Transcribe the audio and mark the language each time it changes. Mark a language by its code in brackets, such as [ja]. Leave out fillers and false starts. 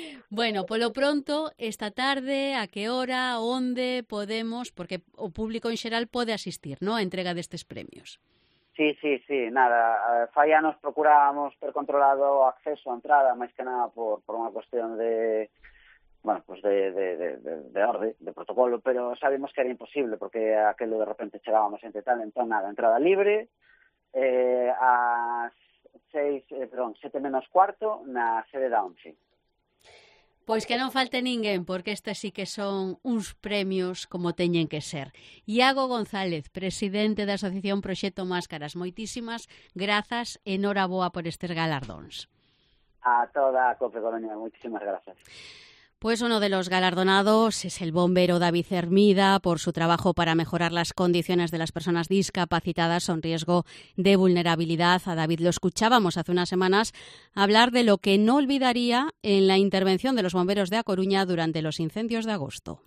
[gl] Bueno, polo pronto, esta tarde, a que hora, onde podemos, porque o público en xeral pode asistir, ¿no?, a entrega destes premios. Sí, nada, fai anos procurábamos ter controlado o acceso á entrada, máis que nada por unha cuestión de [es] bueno, pues de orden, de protocolo, pero sabemos que era imposible porque aquello de repente llegábamos entre tal, entonces nada, entrada libre, a 7 menos cuarto, [gl] na sede da ONCE. Pois que non falte ninguén, porque estes sí que son uns premios como teñen que ser. Iago González, presidente da Asociación Proxecto Máscaras, moitísimas grazas e enhoraboa por estes galardóns. A toda a Cope Coruña, moitísimas grazas. [es] Pues uno de los galardonados es el bombero David Hermida por su trabajo para mejorar las condiciones de las personas discapacitadas con riesgo de vulnerabilidad. A David lo escuchábamos hace unas semanas hablar de lo que no olvidaría en la intervención de los bomberos de A Coruña durante los incendios de agosto.